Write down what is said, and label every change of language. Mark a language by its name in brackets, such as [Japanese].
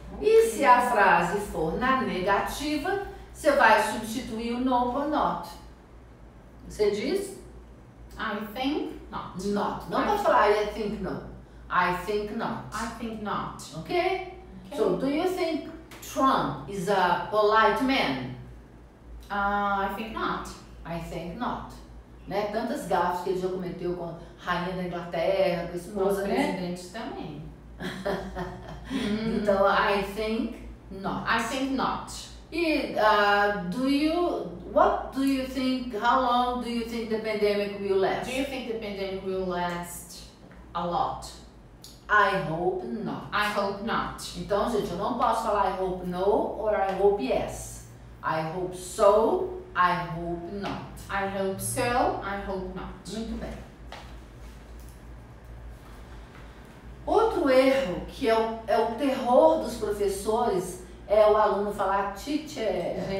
[Portuguese] Okay. E se a frase for na negativa, você vai substituir o no por not. Você diz? [English] I think not. [Portuguese] Not. Não pode falar [English] I think no. I think not. I think not. Okay? Okay. So, do you think Trump is a polite man? I think not. I think not. Né? [Portuguese] Tantas gafes que ele já cometeu com a rainha da Inglaterra, com a esposa, né? Presidente também. Então, [English] I think not. I think not. E how long do you think the pandemic will last? Do you think the pandemic will last a lot? I hope not. I hope not. [Portuguese] Então, gente, eu não posso falar [English] I hope no or I hope yes. I hope so, I hope not. I hope so, I hope not. [Portuguese] Muito bem. Outro erro que é o terror dos professores é o aluno falar teacher.